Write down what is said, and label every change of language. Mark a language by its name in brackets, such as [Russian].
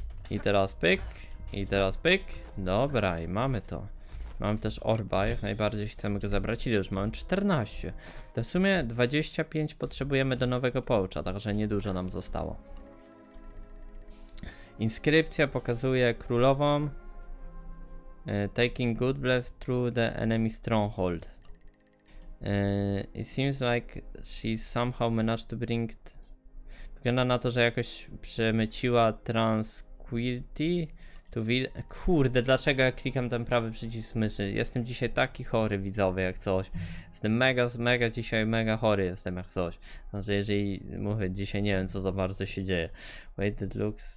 [Polish] I teraz pyk. I teraz pyk. Dobra, i mamy to. Mam też orba, jak najbardziej chcemy go zabrać. Ile już mam? 14. To w sumie 25 potrzebujemy do nowego poucha, także niedużo nam zostało. Inskrypcja pokazuje królową. [English] Taking good breath through the enemy stronghold. It seems like she somehow managed to bring... [Polish] Wygląda na to, że jakoś przemyciła Tranquility. Tu kurde, dlaczego ja klikam ten prawy przycisk myszy? Jestem dzisiaj taki chory, widzowie, jak coś. Jestem mega, mega dzisiaj, mega chory jestem jak coś. Znaczy, jeżeli mówię dzisiaj, nie wiem co za bardzo się dzieje. [English] Wait, it looks...